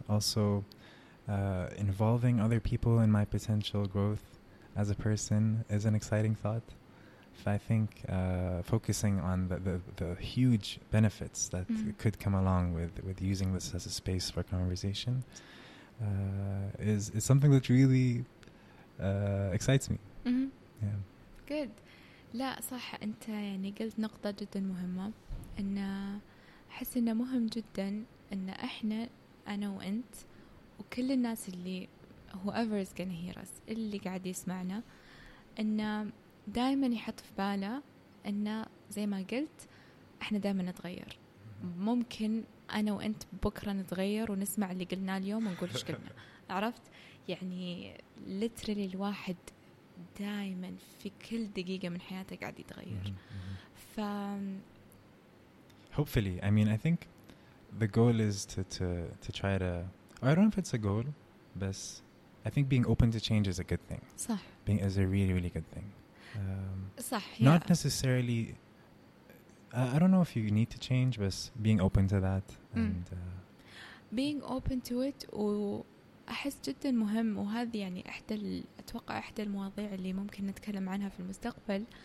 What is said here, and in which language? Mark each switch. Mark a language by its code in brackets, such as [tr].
[en] Also, involving other people in my potential growth as a person is an exciting thought. I think focusing on the huge benefits that mm-hmm. could come along with using this as a space for conversation is something that really excites me. Mm-hmm. Yeah. Good. [ar] لا صح أنت يعني قلت نقطة جدا مهمة إن أحس إنه مهم جدا إن إحنا أنا وأنت وكل الناس اللي [en] whoever is gonna hear us [ar] اللي قاعد يسمعنا إن دائما يحط في باله انه زي ما قلت احنا دائما نتغير. ممكن انا وانت بكره نتغير ونسمع اللي قلناه اليوم ونقول ايش قلنا. عرفت يعني literally الواحد دائما في كل دقيقه من حياته قاعد يتغير. ف [en] hopefully I mean I think the goal is to try to, I don't know if it's a goal, but I think being open to change is a good thing. [ar] صح. [en] Being is a really really good thing. [ar] صح, [en] not yeah. necessarily I don't know if you need to change, but being open to that and being open to it [ar] وأحس جدا مهم, وهذه يعني احدى اتوقع احدى المواضيع اللي ممكن نتكلم عنها في المستقبل.